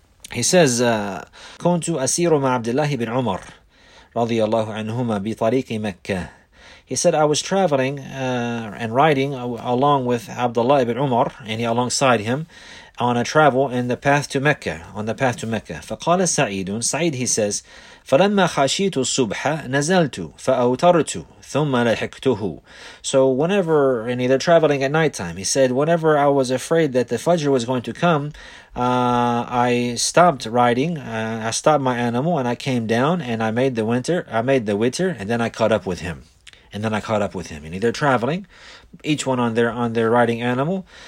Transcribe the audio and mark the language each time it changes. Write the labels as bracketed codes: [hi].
[en] He says, [ar] كُنْتُ أَسِيرُ مَا عَبْدِ اللَّهِ بِنْ عُمَرْ رَضِيَ اللَّهُ عَنْهُمَا بِطَرِيقِ مَكَّةِ. [en] He said, I was traveling and riding along with Abdullah ibn Umar, and he alongside him, on a travel in the path to Mecca, on the path to Mecca. [ar] فَقَالَ سَعِيدٌ. Sa'id, [en] he says, [ar] فَلَمَّا خَشِيتُ الصُّبْحَ نَزَلْتُ فَأَوْتَرْتُ ثُمَّ لَحِكْتُهُ. [en] So whenever, and either traveling at nighttime, he said, whenever I was afraid that the Fajr was going to come, I stopped riding, I stopped my animal, and I came down, and I made the witr, and then I caught up with him. And then I caught up with him. And they're traveling, each one on their riding animal.